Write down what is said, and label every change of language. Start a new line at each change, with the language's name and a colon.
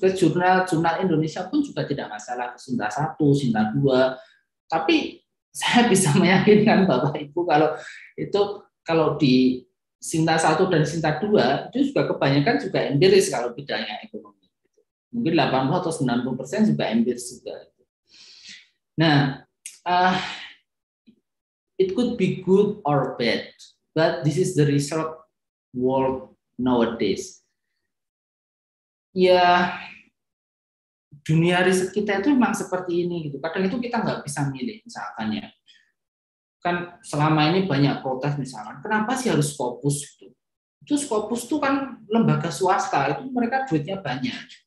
Indonesian: Ke jurnal-jurnal Indonesia pun juga tidak masalah, ke Sinta 1, Sinta 2. Tapi saya bisa meyakinkan Bapak Ibu kalau itu kalau di Sinta 1 dan Sinta 2 itu juga kebanyakan juga empiris kalau bidangnya ekonomi. Mungkin 80% atau 90% juga empiris juga.
English: Nah, it could be good or bad, but this is the result world nowadays.
Indonesian: Ya, dunia riset kita itu memang seperti ini gitu. Kadang itu kita nggak bisa milih, misalkan ya. Kan selama ini banyak protes misalkan, kenapa sih harus Scopus itu? Itu Scopus itu kan lembaga swasta, itu mereka duitnya banyak.